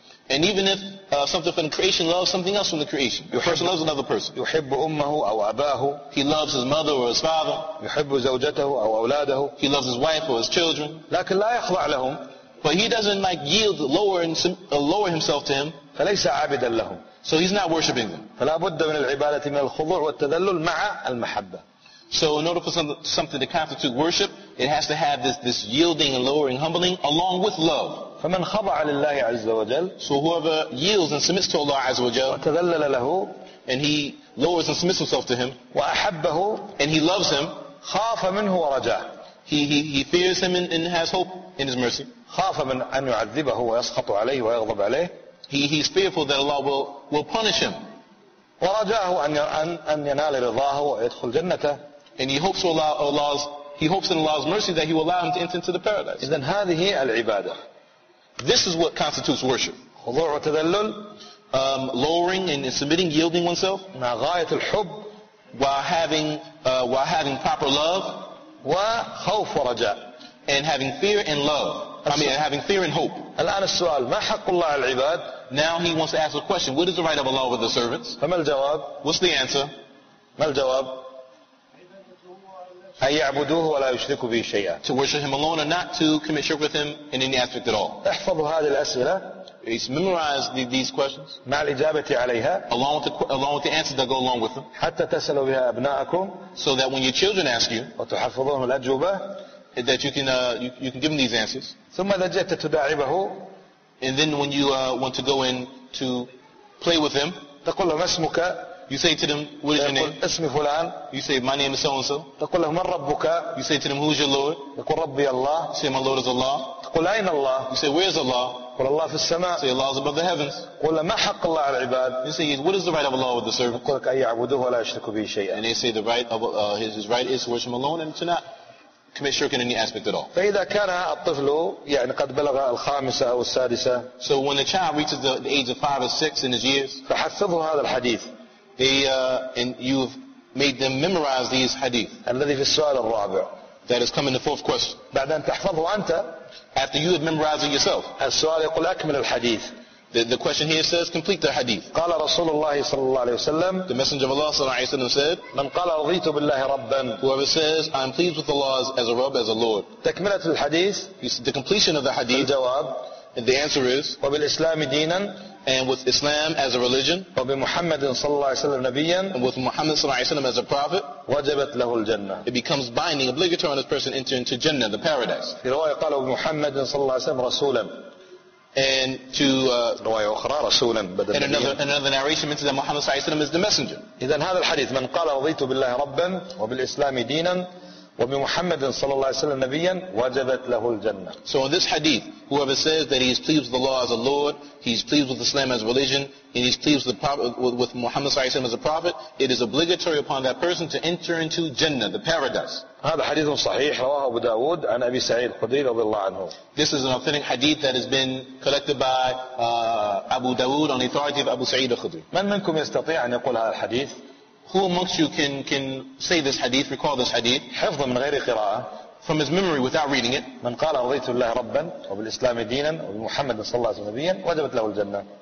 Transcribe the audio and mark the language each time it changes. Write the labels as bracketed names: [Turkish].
[English] And even if something from creation loves something else from the creation. A person loves another person. [Arabic] يحب أمه أو أباه. [English] He loves his mother or his father. [Arabic] يحب زوجته أو أولاده. [English] He loves his wife or his children. [Arabic] لكن لا يخضع لهم. [English] But he doesn't like yield, lower himself to him. [Arabic] فليس عابدا لهم. [English] So he's not worshiping them. [Arabic] فلا بد من العبادة من الخضوع والتذلل مع المحبة. [English] So in order for something to constitute worship, it has to have this yielding and lowering, humbling, along with love. [Arabic] فمن خضع لله عز وجل. [English] So whoever yields and submits to Allah [Arabic] عز وجل. وتذلل له. [English] And he lowers and submits himself to him. [Arabic] وأحبه. [English] And he loves him. [Arabic] خاف منه ورجع. [English] He fears him and has hope in his mercy. [Arabic] خاف من أن يعذبه ويسخط عليه ويغضب عليه. [English] He's fearful that Allah will punish him. [Arabic] ورجاه أن ينال رضاه ويدخل جنته. [English] And he hopes in Allah's mercy that He will allow him to enter into the paradise. [Arabic] إذن هذه العبادة. [English] This is what constitutes worship. [Arabic] خضوع وتذلل. [English] Lowering and submitting, yielding oneself. [Arabic] مع غاية الحب. [English] While having proper love. [Arabic] وخوف ورجاء. [English] And having fear and love. Having fear and hope. [Arabic] الآن السؤال ما حق الله على العباد؟ [English] Now he wants to ask a question. What is the right of Allah with the servants? [Arabic] فما الجواب؟ [English] What's the answer? [Arabic] ما الجواب؟ أن يعبدوه ولا يشركوا به شيئا. [English] To worship him alone and not to commit shirk with him in any aspect at all. [Arabic] احفظوا هذه الأسئلة. [English] He's memorized these questions. [Arabic] مع الإجابة عليها. [English] Along with the answers that go along with them. [Arabic] حتى تسألوا بها أبناءكم. [English] So that when your children ask you. [Arabic] وتحفظوهم الأجوبة. [English] That you can give them these answers. [Arabic] ثم إذا جئت تداعبه. [English] And then when you want to go in to play with him, [Arabic] تقول له ما اسمك؟ [English] You say to them, what is your name? [Arabic] اسمي فلان. [English] You say, my name is so and so. [Arabic] تقول له من ربك؟ [English] You say to them, who is your Lord? [Arabic] يقول ربي الله. [English] You say, my Lord is Allah. [Arabic] تقول أين الله؟ [English] You say, where is Allah? [Arabic] يقول الله في السماء. [English] You say, Allah is above the heavens. [Arabic] يقول له ما حق الله على العباد؟ [English] You say, what is the right of Allah with the servant? [Arabic] يقول لك أن يعبدوه ولا يشركوا به شيئا. [English] And they say the right of his right is to worship him alone and to not commit shirk in any aspect at all. [Arabic] فإذا كان الطفل يعني قد بلغ الخامسة أو السادسة. [English] So when the child reaches the age of 5 or 6 in his years. [Arabic] فحفظوا هذا الحديث. [English] And you've made them memorize these hadith. [Arabic] الذي في السؤال الرابع. [English] That is coming the fourth question. [Arabic] بعد أن تحفظه أنت. [English] After you have memorized it yourself. [Arabic] السؤال يقول أكمل الحديث. [English] The question here says, complete the hadith. [Arabic] قال رسول الله صلى الله عليه وسلم. [English] The Messenger of Allah [Arabic] صلى الله عليه وسلم [English] said. [Arabic] من قال رضيت بالله ربا. [English] Whoever says, I am pleased with Allah as a Rabb, as a Lord. [Arabic] تكملة الحديث. [English] The completion of the hadith. [Arabic] الجواب. [English] And the answer is. [Arabic] وبالإسلام دينا. [English] And with Islam as a religion. [Arabic] وبمحمد صلى الله عليه وسلم نبيا. [English] And with Muhammad [Arabic] صلى الله عليه وسلم [English] as a prophet. [Arabic] وجبت له الجنة. [English] It becomes binding, obligatory on this person to enter into Jannah, the paradise. [Arabic] في رواية قال وبمحمد صلى الله عليه وسلم رسولا. [English] And to [Arabic] أخرى رسولا بدل [English] and another narration means that Muhammad [Arabic] صلى الله عليه وسلم [English] is the messenger. [Arabic] إذن هذا الحديث من قال رضيت بالله ربا وبالإسلام دينا وبمحمد صلى الله عليه وسلم نبيا وجبت له الجنة. [English] So in this hadith, whoever says that he is pleased with Allah as a Lord, he is pleased with Islam as religion, and he is pleased with Muhammad [Arabic] صلى الله عليه وسلم [English] as a prophet, it is obligatory upon that person to enter into Jannah, the paradise. [Arabic] هذا حديث صحيح رواه أبو داود عن أبي سعيد الخدري رضي الله عنه. [English] This is an authentic hadith that has been collected by Abu Dawood on the authority of Abu Sa'id al-Khudri. [Arabic] من منكم يستطيع أن يقول هذا الحديث؟ [English] Who amongst you can say this hadith, recall this hadith? [Arabic] حفظ من غير قراءة. [English] From his memory without reading it. [Arabic] من قال رضيت الله ربا وبالإسلام دينا وبمحمد صلى الله عليه وسلم نبيا وجبت له الجنة.